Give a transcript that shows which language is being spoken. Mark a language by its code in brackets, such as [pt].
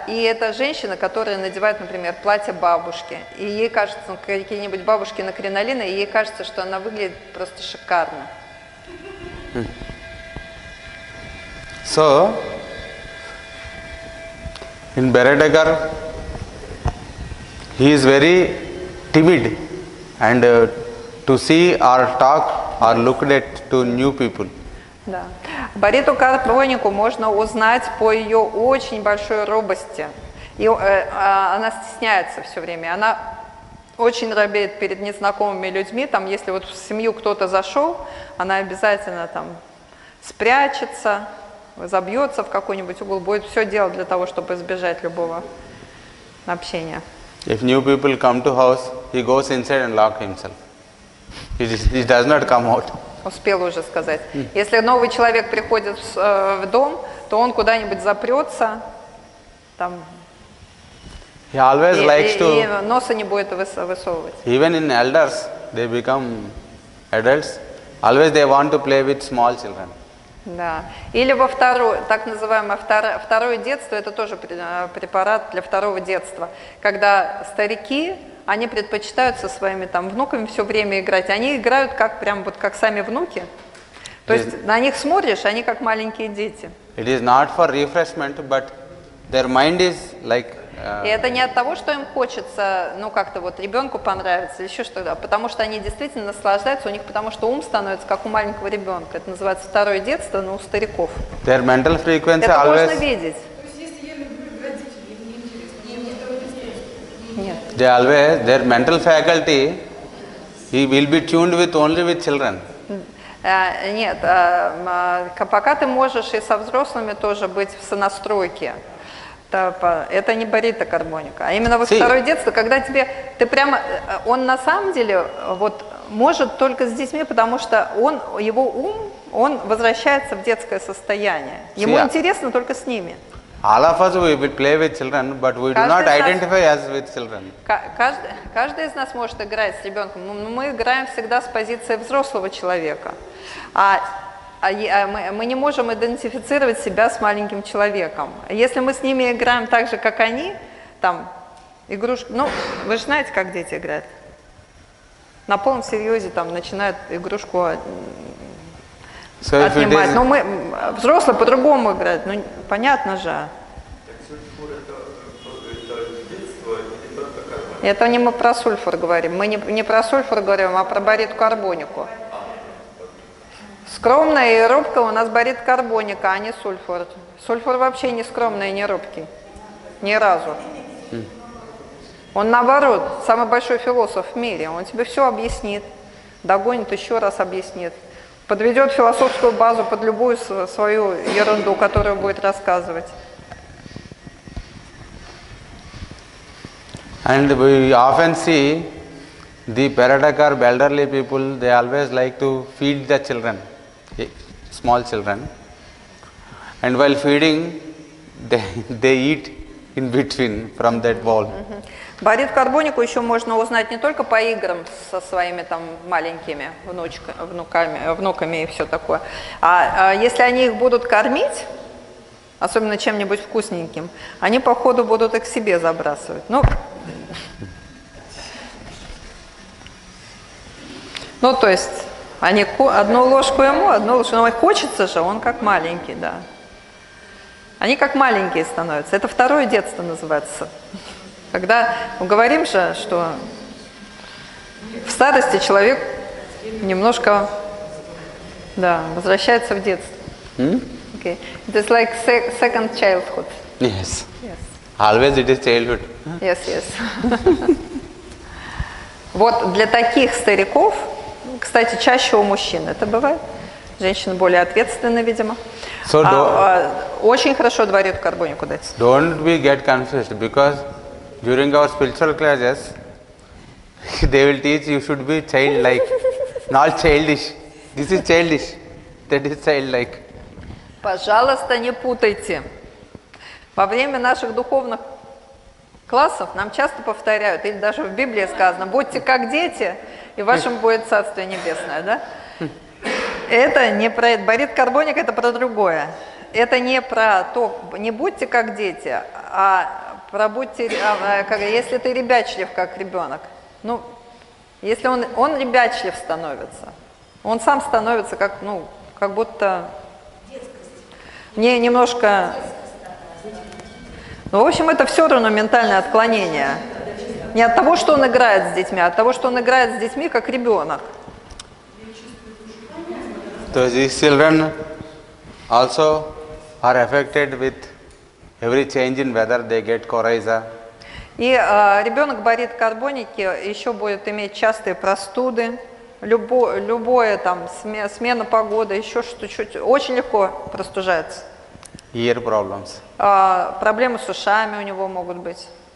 [ru] И это женщина, которая надевает, например, платье бабушки, и ей кажется, ну, какие-нибудь бабушки на кринолины, и ей кажется, что она выглядит просто шикарно. [en] So, in Bharatagar, he is very timid, and to see or talk or look at to new people. [ru] Да. Бариту Карпонику можно узнать по ее очень большой робости. И она стесняется все время. Она очень робеет перед незнакомыми людьми. Там, если вот в семью кто-то зашел, она обязательно там спрячется, забьется в какой-нибудь угол, будет все делать для того, чтобы избежать любого общения. [en] If new people come to house, he goes inside and lock himself. He does not come out. [ru] Успел уже сказать. Если новый человек приходит в дом, то он куда-нибудь запрется, там, [en] he always likes to, [ru] и носа не будет высовывать. [en] Even in elders, they become adults. Always they want to play with small children. [ru] Да. Или во второе, так называемое второе детство, это тоже препарат для второго детства. Когда старики, они предпочитают со своими там внуками все время играть. Они играют как прям вот как сами внуки. То есть на них смотришь, они как маленькие дети. [en] It is not for refreshment, but their mind is like. [ru] И это не от того, что им хочется, ну как-то вот ребенку понравится или еще что-то, потому что они действительно наслаждаются, у них потому что ум становится как у маленького ребенка. Это называется второе детство, но у стариков. [en] Their mental frequency [ru] это [en] always. [ru] Это можно видеть. [en] They always, their mental faculty, he will be tuned with only with children. [ru] Нет, пока ты можешь и со взрослыми тоже быть в сонастройке, это не Барита Кармоника, а именно вот второе детство, когда тебе, ты прямо, он на самом деле вот может только с детьми, потому что он, его ум, он возвращается в детское состояние. Ему интересно только с ними. [en] All of us, we play with children, but we do not identify as with children. [ru] Каждый из нас может играть с ребенком, но мы играем всегда с позиции взрослого человека. Мы не можем идентифицировать себя с маленьким человеком. Если мы с ними играем так же, как они, там, игрушка, ну, вы же знаете, как дети играют. На полном серьезе там начинают игрушку отнимать. Но мы взрослые по-другому играют. Ну, понятно же. Это не мы про сульфур говорим. Мы не про сульфур говорим, а про Барит Карбонику. Скромная и робкая у нас Барит Карбоника, а не сульфур. Сульфур вообще не скромный и не робкий. Ни разу. Он наоборот, самый большой философ в мире. Он тебе все объяснит. Догонит, еще раз объяснит. Подведет философскую базу под любую свою ерунду, которую будет рассказывать. [en] And we often see the Bharatagar elderly people, they always like to feed the children, small children. And while feeding, they eat in between from that ball. [ru] Борит карбонику еще можно узнать не только по играм со своими там маленькими внуками и все такое. А если они их будут кормить, особенно чем-нибудь вкусненьким, они по ходу будут их себе забрасывать. Ну, ну то есть они одну ложку ему, одну ложку. Но хочется же, он как маленький, да. Они как маленькие становятся. Это второе детство называется. Когда мы говорим же, что в старости человек немножко, да, возвращается в детство. [en] Okay. It is like second childhood. Yes. Yes. Always it is childhood. Yes, yes. [ru] Вот для таких стариков, кстати, чаще у мужчин это бывает. Женщины более ответственны, видимо. [en] So [ru] очень хорошо дворит карбонику дать. [en] Don't we get confused, because during our spiritual classes, they will teach you should be childlike, not childish. This is childish, that is childlike. [ru] Пожалуйста, не путайте. Во время наших духовных классов нам часто повторяют, или даже в Библии сказано, будьте как дети, и вашим будет Царствие Небесное, да? Это не про это. Борит карбоник — это про другое. Это не про то, не будьте как дети, а про будьте, если ты ребячлив как ребенок. Ну, если он ребячлив становится, он сам становится как, ну, как будто... Детскость. Немножко... Ну, в общем, это все равно ментальное отклонение. Не от того, что он играет с детьми, а от того, что он играет с детьми как ребенок. [en] So these children also are affected with every change in weather. They get coryza. [ru] И ребенок борит карбоники еще будет иметь частые простуды, любое там смена погоды, еще что-чуть очень легко простужается. [en] Ear problems. [ru] Проблемы с ушами у него могут быть.